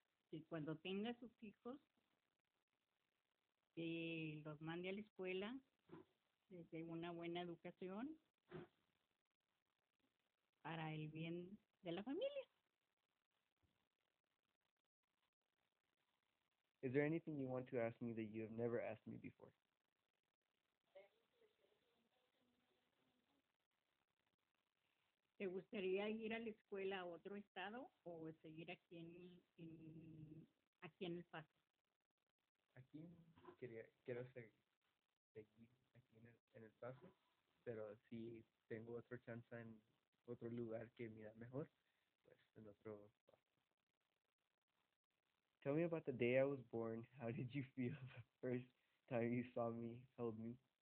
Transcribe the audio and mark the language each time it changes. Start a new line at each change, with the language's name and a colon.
Spanish: que cuando tenga sus hijos, que los mande a la escuela, les dé una buena educación para el bien de la familia.
English: Is there anything you want to ask me that you have never asked me before?
Spanish: ¿Te gustaría ir a la escuela a otro estado o seguir aquí aquí en El Paso? Aquí quiero seguir aquí en El Paso, pero si tengo otra chance en otro lugar que me da mejor, pues en otro.
English: Tell me about the day I was born. How did you feel the first time you saw me, held me?